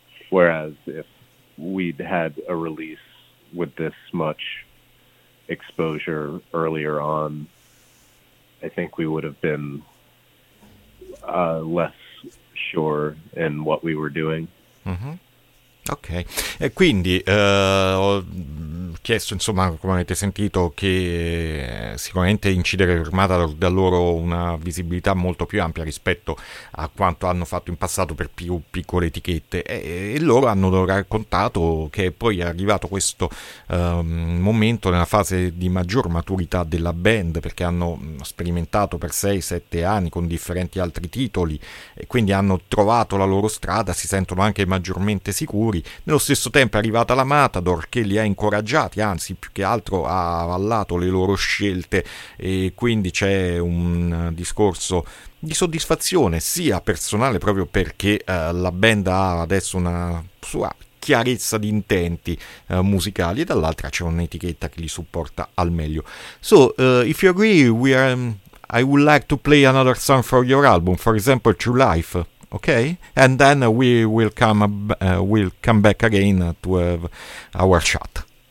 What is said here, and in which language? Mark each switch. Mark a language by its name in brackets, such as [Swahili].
[English] Whereas if we'd had a release with this much exposure earlier on, I think we would have been less sure in what we were doing. [Italian] Ok, e quindi ho chiesto, insomma, come avete sentito, che sicuramente incidere firmata da loro una visibilità molto più ampia rispetto a quanto hanno fatto in passato per più piccole etichette, e loro hanno raccontato che poi è arrivato questo momento nella fase di maggior maturità della band, perché hanno sperimentato per 6-7 anni con differenti altri titoli e quindi hanno trovato la loro strada, si sentono anche maggiormente sicuri. Nello stesso tempo è arrivata la Matador, che li ha incoraggiati, anzi più che altro ha avallato le loro scelte, e quindi c'è un discorso di soddisfazione sia personale, proprio perché la band ha adesso una sua chiarezza di intenti musicali, e dall'altra c'è un'etichetta che li supporta al meglio. [English] So, if you agree, I would like to play another song for your album, for example True Life. Okay, and then we will come back again to have our chat.